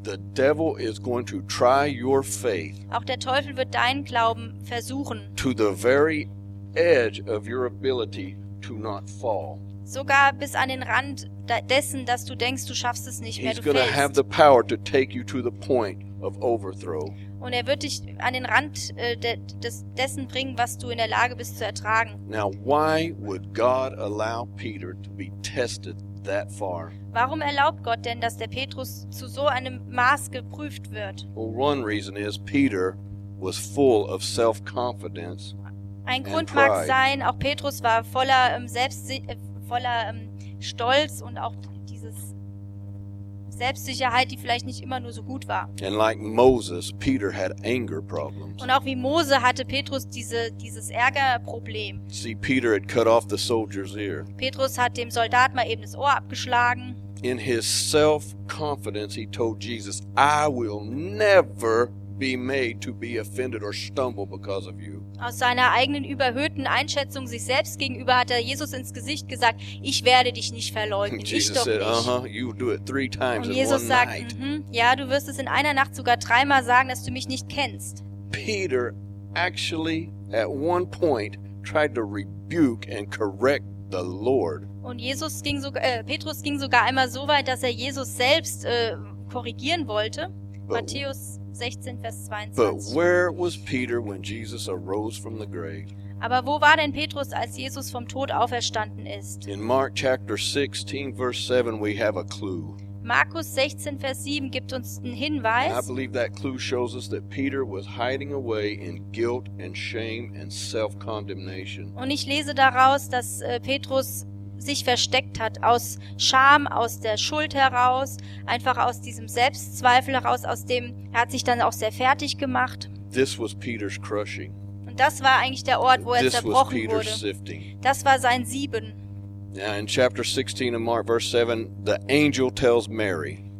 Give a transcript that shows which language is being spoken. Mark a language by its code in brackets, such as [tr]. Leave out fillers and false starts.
[en] the devil is going to try your faith, [de] auch der Teufel wird deinen Glauben versuchen, [en] to the very edge of your ability to not fall. [de] Sogar bis an den Rand dessen, dass du denkst, du schaffst es nicht mehr, [en] he's [de] du fällst. [en] He's going to have the power to take you to the point of overthrow. [de] Und er wird dich an den Rand dessen bringen, was du in der Lage bist zu ertragen. [en] Now, why would God allow Peter to be tested that far? [de] Warum erlaubt Gott denn, dass der Petrus zu so einem Maß geprüft wird? [en] Well, one reason is Peter was full of self-confidence. [de] Ein Grund mag sein, auch Petrus war voller Stolz und auch dieses Selbstsicherheit, die vielleicht nicht immer nur so gut war. [en] And like Moses, Peter had anger problems. [de] Und auch wie Mose hatte Petrus dieses Ärgerproblem. [en] See, Peter had cut off the soldier's ear. [de] Petrus hat dem Soldat mal eben das Ohr abgeschlagen. [en] In his self-confidence, he told Jesus, "I will never be made to be offended or stumble because of you." [de] Aus seiner eigenen überhöhten Einschätzung sich selbst gegenüber hat er Jesus ins Gesicht gesagt, ich werde dich nicht verleugnen, Und Jesus sagt, ja, du wirst es in einer Nacht sogar dreimal sagen, dass du mich nicht kennst. [en] Peter actually at one point tried to rebuke and correct the Lord. [de] Und Petrus ging sogar einmal so weit, dass er Jesus selbst korrigieren wollte. Matthäus 16, Vers 22. [en] But where was Peter when Jesus arose from the grave? [de] Aber wo war denn Petrus, als Jesus vom Tod auferstanden ist? [en] In Mark chapter 16, verse 7, we have a clue. [de] Markus 16, Vers 7 gibt uns einen Hinweis. [en] And I believe that clue shows us that Peter was hiding away in guilt and shame and self-condemnation. [de] Und ich lese daraus, dass Petrus sich versteckt hat, aus Scham, aus der Schuld heraus, einfach aus diesem Selbstzweifel heraus, aus dem er hat sich dann auch sehr fertig gemacht. [en] This was Peter's crushing. [de] Und das war eigentlich der Ort, wo er [en] This [de] zerbrochen [en] was Peter's [de] wurde. [en] Sifting. [de] Das war sein Sieben. [en] Now in chapter 16 of Mark, verse 7, the angel tells Mary,